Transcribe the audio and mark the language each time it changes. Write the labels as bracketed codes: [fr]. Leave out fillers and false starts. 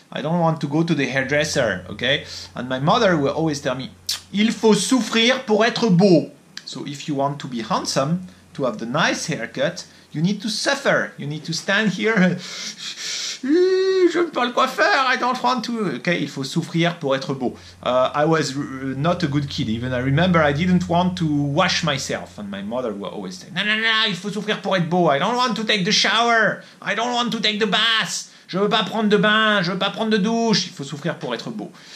[en] I don't want to go to the hairdresser, okay? And my mother will always tell me, [fr] il faut souffrir pour être beau. [en] So if you want to be handsome, to have the nice haircut, you need to suffer. You need to stand here. [fr] Je ne peux pas le coiffeur. [en] I don't want to. Okay, [fr] il faut souffrir pour être beau. [en] I was not a good kid. Even I remember I didn't want to wash myself. And my mother would always say, [fr] non, il faut souffrir pour être beau. [en] I don't want to take the shower. I don't want to take the bath. [fr] Je ne veux pas prendre de bain. Je ne veux pas prendre de douche. Il faut souffrir pour être beau.